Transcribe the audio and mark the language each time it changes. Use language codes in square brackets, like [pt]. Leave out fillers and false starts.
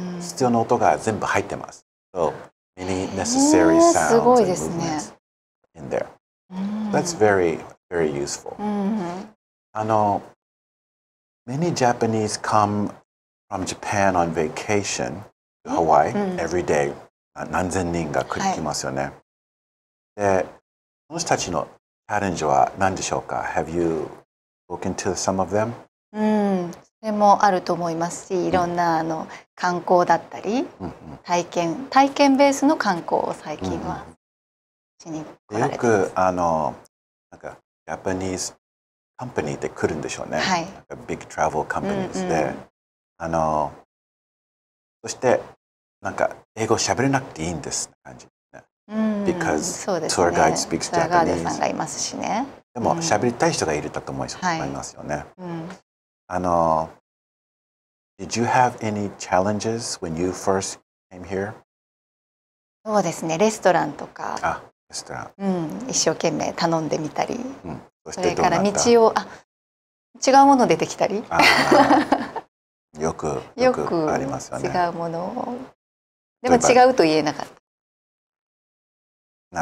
[ja] 必要な音が全部入ってます。 [en] So, many necessary sounds and movements in there. That's very, very useful. あの、many Japanese come from Japan on vacation to Hawaii every day. [ja] 何千人が来ますよね。で、この人たちのチャレンジは何でしょうか? [en] Have you spoken to some of them? [ja] それもあると思いますし、いろんなあの観光だったり、体験ベースの観光を最近はしに来られてます。よくあのなんかジャパニーズカンパニーで来るんでしょうね。はい。なんかビッグトラベルカンパニーズで、あのそしてなんか英語喋れなくていいんですって感じね。 [en] Because [ja] そうですね。 [en] ツアーガイド speaks Japanese。 [ja] ツアーガイドさんがいますしね。でも喋りたい人がいるだと思いますよね。 [en] Did you have any challenges when you first came here? [ja] そうですね、レストランとか。あ、レストラン。うん、一生懸命頼んでみたり。うん、そしてどうなった？それから道を、あ、違うもの出てきたり。あ、よくありますよね。違うものを。でも違うと言えなかった。